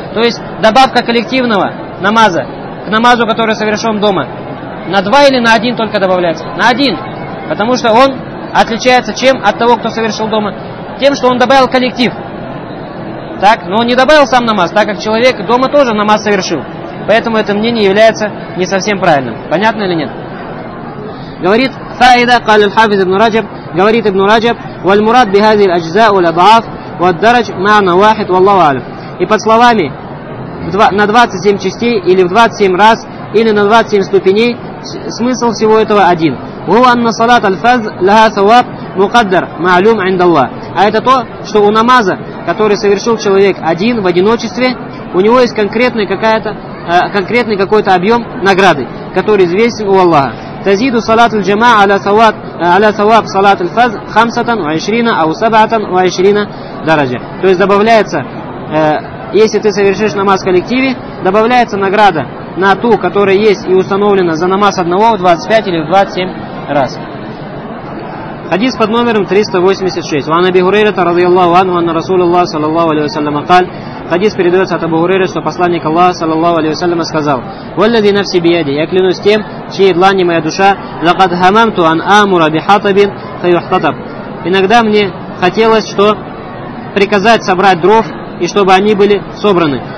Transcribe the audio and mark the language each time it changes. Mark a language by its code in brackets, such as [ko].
[ru] То есть добавка коллективного намаза к намазу, который совершен дома, на два или на один только добавляется? На один. Потому что он отличается чем от того, кто совершил дома? Тем, что он добавил коллектив. Так? Но он не добавил сам намаз, так как человек дома тоже намаз совершил. Поэтому это мнение является не совсем правильным. Понятно или нет? Говорит Фаида, [ar] قال الحافظ ابن رجب, [ru] говорит [ar] ابن رجب, والمراد بهذه الأجزاء والأضعاف والدرج معنى واحد والله أعلم. [ru] И под словами на 27 частей или в 27 раз или на 27 ступеней смысл всего этого один. [ar] هو أن صلاة الفرض لها ثواب مقدر معلوم عند الله. [ru] А это то, что у намаза, который совершил человек один в одиночестве, у него есть конкретный какая-то конкретный какой-то объем награды, который известен у Аллаха. [ar] تزيد صلاة الجماعة على ثواب صلاة الفرض 25 أو 27 درجة. [ru] То есть добавляется, если ты совершишь намаз в коллективе, добавляется награда на ту, которая есть и установлена за намаз одного в 25 или в 27 раз. Хадис под номером 386. [ar] وعن أبي هريرة رضي الله عنه أن رسول الله صلى الله عليه وسلم قال. [ru] Хадис передается от Абу Хурейры, что посланник Аллаха, саллаллаху алейхи ва саллям, сказал: [ar] «Валлази нафси бияди, [ru] я клянусь тем, чьей длани моя душа, [ar] лакад хамамту ан амура бихатабин фаюхтатаб». [ru] Иногда мне хотелось, что приказать собрать дров, и чтобы они были собраны.